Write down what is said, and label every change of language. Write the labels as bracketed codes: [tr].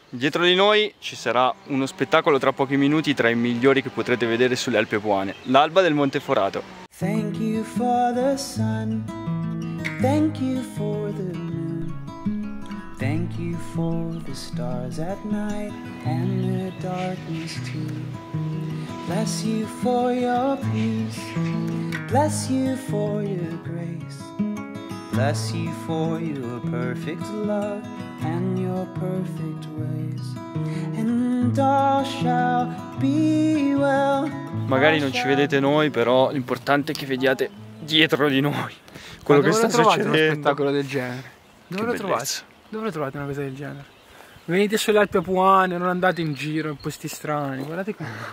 [it] Dietro di noi ci sarà uno spettacolo tra pochi minuti tra i migliori che potrete vedere sulle Alpi Apuane, l'alba del Monte Forato. [en] Thank you for the sun, thank you for the moon, thank you for the stars at night and the darkness too. Bless you for your peace, bless you for your grace, bless you for your perfect love and your perfect ways, and all shall be well. [it] Magari non ci vedete noi, però l'importante è che vediate dietro di noi quello che sta succedendo. Dove lo trovate uno spettacolo del genere? Dove lo trovate? Dove lo trovate una cosa del genere? Venite sulle Alpi Apuane, non andate in giro in posti strani, guardate qua.